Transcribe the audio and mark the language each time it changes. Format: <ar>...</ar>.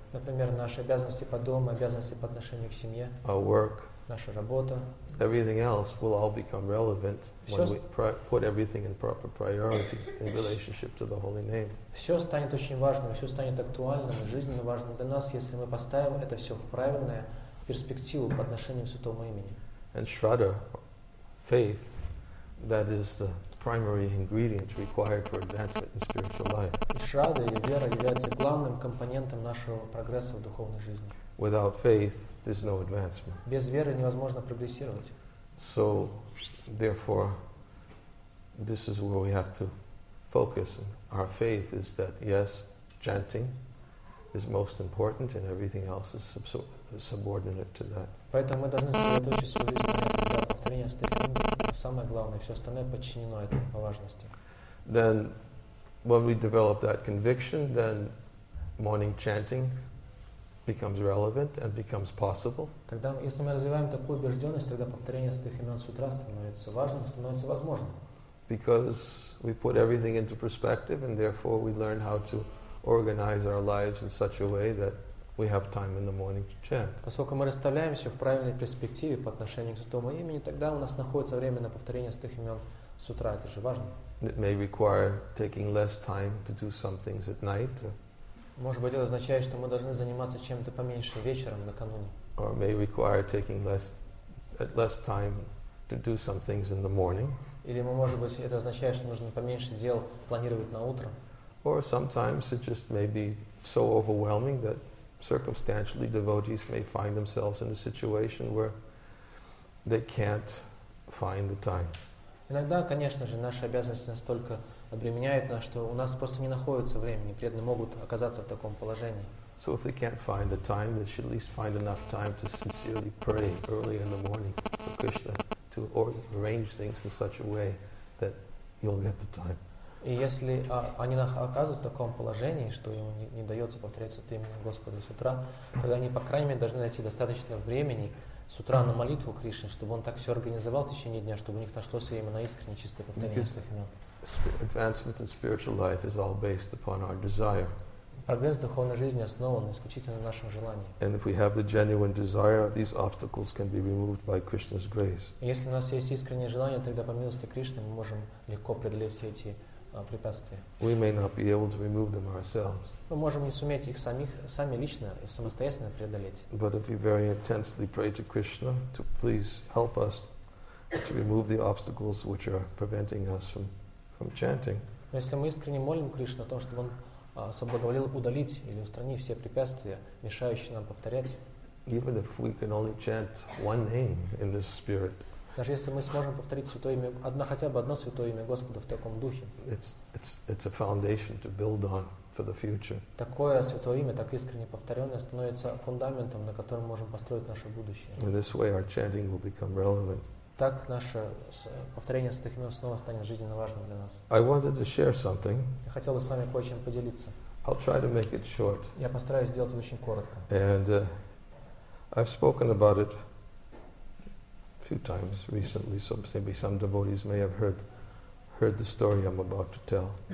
<ru>Например, наши обязанности по дому, обязанности по отношению к семье.</ru> <en>Our work.</en> <ru>Наша работа.</ru> <en>Everything else will all become relevant when we put everything in proper priority in relationship to the holy name.</en> <ru>Все станет очень важным, все станет актуальным, жизненно важным для нас, если мы поставим это все в правильную перспективу по отношению к святому имени.</ru> <en>And Shraddha, faith, that is the primary ingredient required for advancement in spiritual life.</en> <ru>И Shraddha, или вера, является главным компонентом нашего прогресса в духовной жизни.</ru> <en>Without faith, there's no advancement.</en> <ru>Без веры невозможно прогрессировать.</ru> <en>So, therefore, this is where we have to focus. Our faith is that, yes, chanting is most important and everything else is subordinate to that.</en> <ru>Поэтому мы должны сосредоточить свою жизнь на этом, да, повторение святых имен, самое главное, все остальное подчинено этому по важности.</ru> <en>Then, when we develop that conviction, then morning chanting becomes relevant and becomes possible.</en> <ru>Тогда, если мы развиваем такую убежденность, тогда повторение святых имен с утра становится важным, становится возможным.</ru> <en>Because we put everything into perspective, and therefore we learn how to organize our lives in such a way that we have time in the morning to chant.</en> <ru>Поскольку мы расставляемся в правильной перспективе по отношению к Святому имени, тогда у нас находится время на повторение святых имен с утра. Это же важно.</ru> <en>It may require taking less time to do some things at night.</en> <ru>Может быть, это означает, что мы должны заниматься чем-то поменьше вечером накануне.</ru> <en>Or may require taking less time to do some things in the morning.</en> <ru>Или, может быть, это означает, что нужно поменьше дел планировать на утро.</ru> <en>Or sometimes it just may be so overwhelming that circumstantially devotees may find themselves in a situation where they can't find the time.</en> <ru>Иногда, конечно же, наша обязанность настолько обременяет нас, что у нас просто не находится времени, преданные могут оказаться в таком положении.</ru> <en>So if they can't find the time, they should at least find enough time to sincerely pray early in the morning to Krishna, to arrange things in such a way that you'll get the time.</en> <ru>И если они оказываются в таком положении, что им не дается повторяться от имени Господа с утра, тогда они, по крайней мере, должны найти достаточно времени с утра на молитву Кришне, чтобы он так все организовал в течение дня, чтобы у них нашлось время на искренне чистое повторение своих имен.</ru> <en>Advancement in spiritual life is all based upon our desire.</en> <ru>Прогресс в духовной жизни основан исключительно на нашем желании.</ru> <en>And if we have the genuine desire, these obstacles can be removed by Krishna's grace.</en> <ru>Если у нас есть искреннее желание, тогда по милости Кришны мы можем легко преодолеть все эти препятствия.</ru> <en>We may not be able to remove them ourselves.</en> <ru>Мы можем не суметь их сами лично и самостоятельно преодолеть.</ru> <en>But if we very intensely pray to Krishna to please help us to remove the obstacles which are preventing us from chanting.</en> <ru>Если мы искренне молим Кришну о том, чтобы он освободил, удалить или устранить все препятствия, мешающие нам повторять.</ru> <en>Even if we can only chant one name in this spirit.</en> <ru>Даже если мы сможем повторить святое имя, хотя бы одно святое имя Господа в таком духе.</ru> <en>It's a foundation to build on for the future.</en> <ru>Такое святое имя, так искренне повторенное, становится фундаментом, на котором мы можем построить наше будущее.</ru> <en>In this way our chanting will become relevant.</en> <ru>Так наше повторение святых имен снова станет жизненно важным для нас.</ru> <en>I wanted to share something.</en> <ru>Я хотел бы с вами кое-чем поделиться.</ru> <en>I'll try to make it short.</en> <ru>Я постараюсь сделать это очень коротко.</ru> <en>And I've spoken about it a few times recently, so maybe some devotees may have heard the story I'm about to tell.</en>